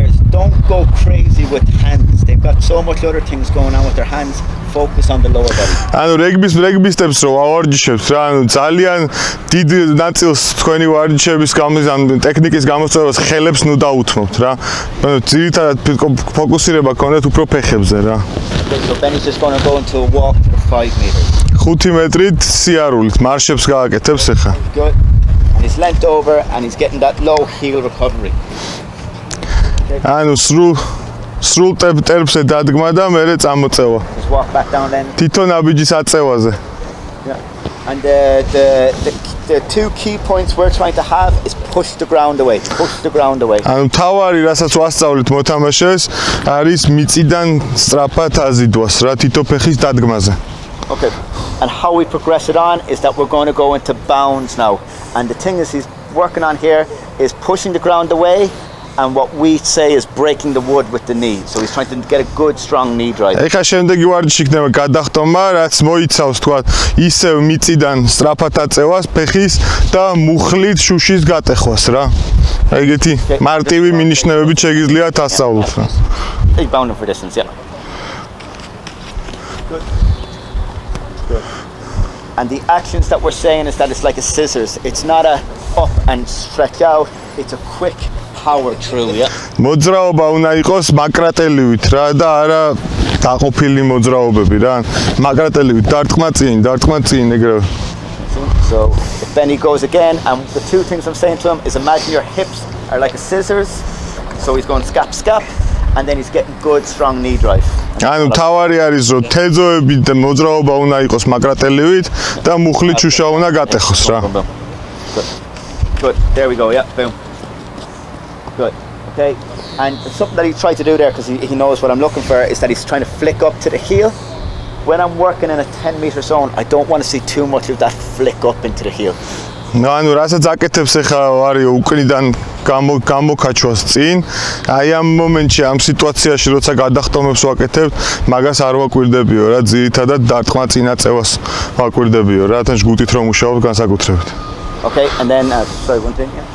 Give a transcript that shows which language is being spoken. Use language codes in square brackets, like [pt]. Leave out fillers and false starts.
[en] Don't go crazy with hands. They've got so much other things going on with their hands. Focus on the lower body. [ka] ანუ რეგბისტებს რო ვარჯიშებს რა, ანუ ძალიან დიდ ნაწილს თქვენი ვარჯიშების გამიზან ტექნიკის გამოწვევას ხელებს ნუ დაუთმობთ რა. ანუ ძირითადად ფოკუსირება გქონდეთ უფრო ფეხებზე რა. [en] So Benny's just going to go into a walk for 5 meters. [ka] 5 მეტრით სიარულით მარშებს გააკეთებს ეხა. [en] He's lent over and he's getting that low heel recovery. [ka] ანუ სრულ ტერფზე დადგმა და მერე წამოწევა. თვითონ აბიჯის აწევაზე. [en] And the two key points we're trying to have is push the ground away. Push the ground away. [ka] ანუ თავი რასაც ვასწავლით მოთამაშეს არის მიწიდან სწრაფად აზიდვას რა თვითო ფეხის დადგმაზე. [en] Okay. And how we progress it on is that we're going to go into bounds now. And the thing is he's working on here is pushing the ground away. And what we say is breaking the wood with the knee. So he's trying to get a good strong knee drive. [ka] ეხა შემდეგი ვარჯიში იქნება გადახტომა, რაც მოიცავს თქვა ისევ მიწიდან სტრაფათა წევას, ფეხის და მუხლით შუშის გატეხვას რა. ეგეთი მარტივი მინიშნებებით შეგიძლია დაასწავლოთ რა. [en] Big bound for distance, yeah. And the actions that we're saying is that it's like a scissors. It's not a up and stretch out. It's a quick power drill, yeah. [ka] მოძრაობა უნდა იყოს მაკრატელივით რა და არა დაყოფილი მოძრაობები რა. მაკრატელივით დარტყმა წინ ეგრე. [en] So Benny goes again, and the two things I'm saying to him is imagine your hips are like a scissors. So he's going scap scap, and then he's getting good strong knee drive. [ka] ანუ თავი არის რომ თეზოები და მოძრაობა უნდა იყოს მაკრატელივით და მუხლი ჩუშა უნდა გატეხოს რა. [en] Good. There we go. Yeah, boom. Good. Okay. And something that he tried to do there, because he knows what I'm looking for, is that he's trying to flick up to the heel. When I'm working in a 10 meter zone, I don't want to see too much of that flick up into the heel. [ka] No, ანუ რასაც აკეთებს ახლა ვარი უკნიდან გამოკაჩვას წინ. აი ამ მომენტში, ამ სიტუაციაში როცა გადახტომებს ვაკეთებ, მაგას არ ვაკვირდებიო რა, ძირითადად დარტყმა წინაწევას ვაკვირდებიო რა, თან ჯგუტით რომ მუშაობ განსაკუთრებით. [en] Okay, and then sorry, one thing.